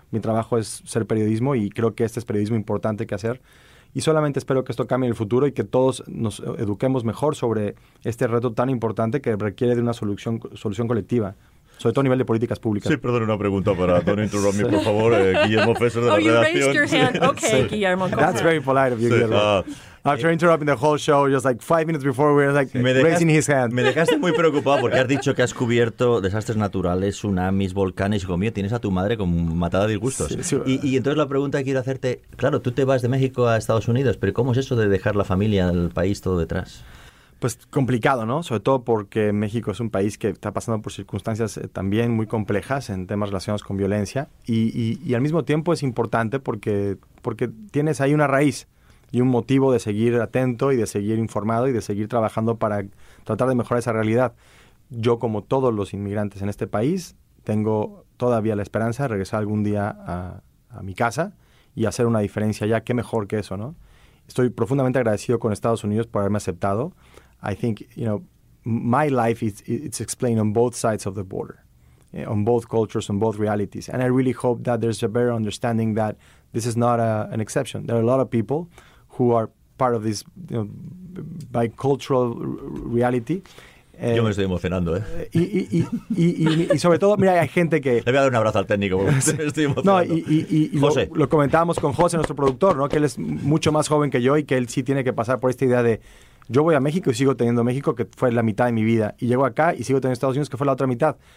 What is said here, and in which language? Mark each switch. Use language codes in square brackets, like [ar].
[es] Mi trabajo es ser periodismo y creo que este es periodismo importante que hacer. Y solamente espero que esto cambie en el futuro y que todos nos eduquemos mejor sobre este reto tan importante que requiere de una solución colectiva, sobre todo a nivel de políticas públicas. Sí, perdón, una pregunta para [en] Don't interrupt me, [es] por favor. Guillermo Fesser de la redacción. [en] Oh, you raised your hand. Okay, sí. Guillermo. That's very polite of you, Guillermo. After interrupting the whole show, just like 5 minutes before, we were like raising his hand. [es] Me dejaste muy preocupado porque has dicho que has cubierto desastres naturales, tsunamis, volcanes, y digo, mío, tienes a tu madre como matada de disgustos. Sí, sí. Y entonces la pregunta que quiero hacerte, claro, tú te vas de México a Estados Unidos, pero ¿cómo es eso de dejar la familia, el país, todo detrás? Pues complicado, ¿no? Sobre todo porque México es un país que está pasando por circunstancias también muy complejas en temas relacionados con violencia. Y al mismo tiempo es importante porque tienes ahí una raíz y un motivo de seguir atento y de seguir informado y de seguir trabajando para tratar de mejorar esa realidad. Yo, como todos los inmigrantes en este país, tengo todavía la esperanza de regresar algún día a mi casa y hacer una diferencia allá. Qué mejor que eso, ¿no? Estoy profundamente agradecido con Estados Unidos por haberme aceptado. [en] I think, you know, my life it's explained on both sides of the border, on both cultures, on both realities. And I really hope that there's a better understanding that this is not an exception. There are a lot of people who are part of this, you know, bicultural reality. [es] Yo me estoy emocionando, ¿eh? Y sobre todo, mira, hay gente que... Le voy a dar un abrazo al técnico, porque sí. Me estoy emocionando. No, y José. Lo comentábamos con José, nuestro productor, ¿no? Que él es mucho más joven que yo y que él sí tiene que pasar por esta idea de... Yo voy a México y sigo teniendo México, que fue la mitad de mi vida. Y llego acá y sigo teniendo Estados Unidos, que fue la otra mitad.